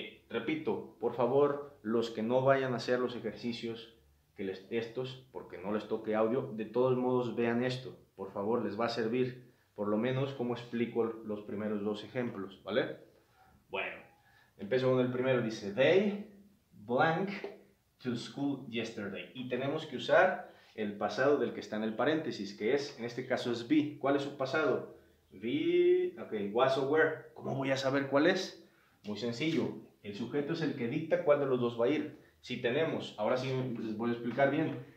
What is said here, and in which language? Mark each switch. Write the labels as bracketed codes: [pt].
[es] Repito, por favor, los que no vayan a hacer los ejercicios, porque no les toque audio, de todos modos vean esto, por favor, les va a servir. Por lo menos, como explico los primeros dos ejemplos, ¿vale? Bueno, empiezo con el primero. [en] Dice, they blank to school yesterday. [es] Y tenemos que usar el pasado del que está en el paréntesis, que es, en este caso es be. ¿Cuál es su pasado? Be, ok, was or were. ¿Cómo voy a saber cuál es? Muy sencillo. El sujeto es el que dicta cuál de los dos va a ir. Si tenemos, ahora sí les voy a explicar bien.